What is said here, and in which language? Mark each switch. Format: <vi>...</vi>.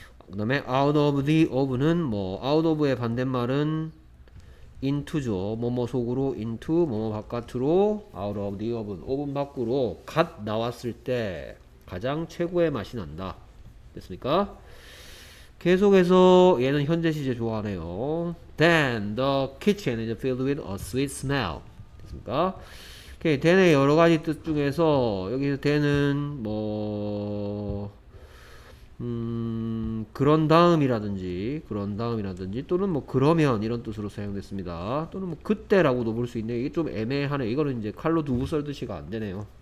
<ko>그 다음에</ko> <en>out of the oven</en> <ko>은 뭐 out of의 반대말은 into죠. 뭐뭐 속으로 into, 뭐뭐 바깥으로</ko> <en>out of the oven,</en> <ko>오븐 밖으로 갓 나왔을 때 가장 최고의 맛이 난다. 됐습니까? 계속해서 얘는 현재 시제 좋아하네요.</ko> <en>Then the kitchen is filled with a sweet smell.</en> <ko>됐습니까? 오케이, then의 여러 가지 뜻 중에서 여기서 then은 뭐 그런 다음이라든지 그런 다음이라든지 또는 뭐 그러면 이런 뜻으로 사용됐습니다. 또는 뭐 그때라고도 볼 수 있네요. 이게 좀 애매하네요. 이거는 이제 칼로 두부 썰듯이가 안 되네요.</ko>